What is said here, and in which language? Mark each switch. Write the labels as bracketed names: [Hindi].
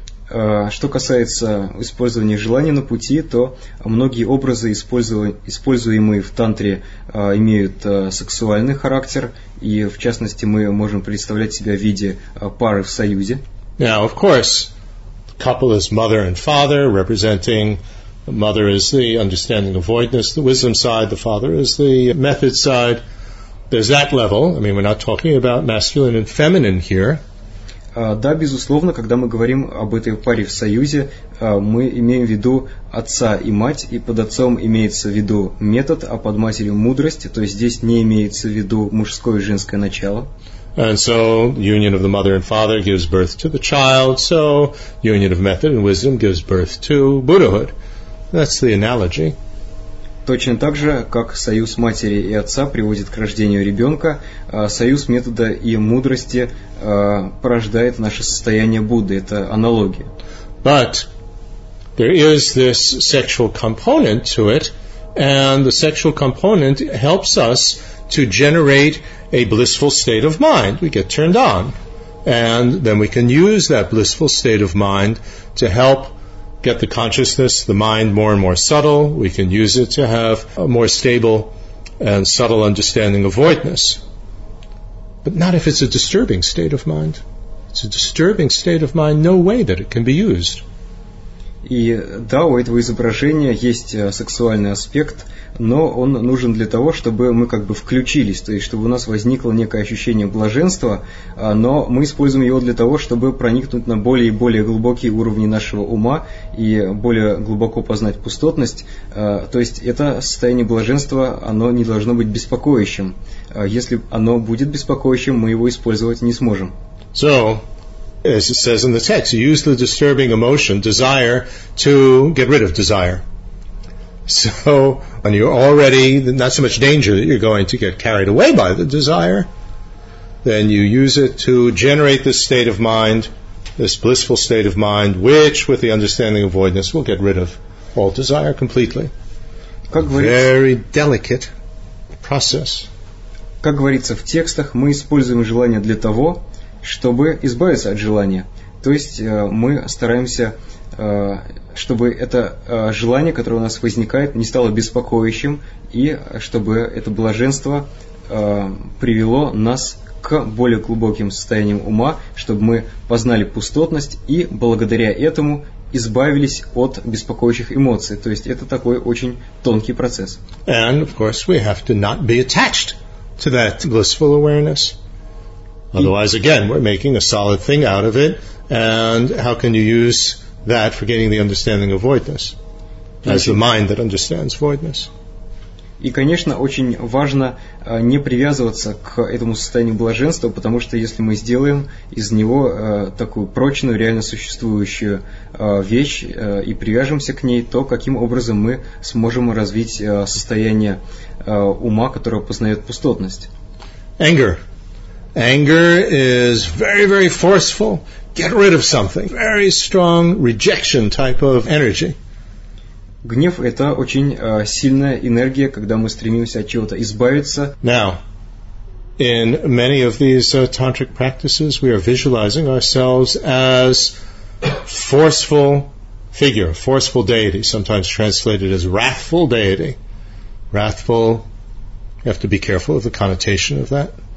[Russian] Что касается использования желания на пути, то многие образы, используемые в тантре, имеют сексуальный характер, и в частности мы можем представлять себя в виде пары в союзе. [English] Now, of course, the couple is mother and father, representing the mother is the understanding of voidness, the wisdom side, the father is the method side. There's that level. I mean, we're not talking about masculine and feminine here. [Russian] Да, безусловно, когда мы говорим об этой паре в союзе, мы имеем в виду отца и мать, и под отцом имеется в виду метод, а под матерью мудрость, то есть здесь не имеется в виду мужское и женское начало. [English] And so, union of the mother and father gives birth to the child, so union of method and wisdom gives birth to Buddhahood. That's the analogy. [Russian] Точно так же, как союз матери и отца приводит к рождению ребенка, союз метода и мудрости порождает наше состояние Будды. Это аналогия. [English] But there is this sexual component to it, and the sexual component helps us to generate a blissful state of mind. We get turned on, and then we can use that blissful state of mind to help get the consciousness, the mind more and more subtle. We can use it to have a more stable and subtle understanding of voidness. But not if it's a disturbing state of mind. It's a disturbing state of mind, no way that it can be used. [Russian] И да, у этого изображения есть сексуальный аспект, но он нужен для того, чтобы мы как бы включились, то есть чтобы у нас возникло некое ощущение блаженства, но мы используем его для того, чтобы проникнуть на более и более глубокие уровни нашего ума и более глубоко познать пустотность. То есть это состояние блаженства, оно не должно быть беспокоящим. Если оно будет беспокоящим, мы его использовать не сможем. [English] So, as it says in the text, you use the disturbing emotion, desire, to get rid of desire. So, and you're already, not so much danger that you're going to get carried away by the desire, then you use it to generate this state of mind, this blissful state of mind, which, with the understanding of voidness, will get rid of all desire completely. Very delicate process. [Russian] Как говорится в текстах, мы используем желание для того, чтобы избавиться от желания. То есть мы стараемся, чтобы это желание, которое у нас возникает, не стало беспокоящим, и чтобы это блаженство привело нас к более глубоким состояниям ума, чтобы мы познали пустотность и благодаря этому избавились от беспокоящих эмоций. То есть это такой очень тонкий процесс. [English] And of course we have to not be attached to that blissful awareness. Otherwise, again, we're making a solid thing out of it, and how can you use that for getting the understanding of voidness, as the mind that understands voidness? [Russian] И, конечно, очень важно не привязываться к этому состоянию блаженства, потому что если мы сделаем из него такую прочную, реально существующую вещь и привяжемся к ней, то каким образом мы сможем развить состояние ума, которое познает пустотность? [English] Anger. Anger is very, very forceful. Get rid of something. Very strong rejection type of energy. [Russian] Гнев – это очень сильная энергия, когда мы стремимся от чего-то избавиться. [English] Now, in many of these tantric practices, we are visualizing ourselves as forceful figure, forceful deity, sometimes translated as wrathful deity. Wrathful, you have to be careful of the connotation of that.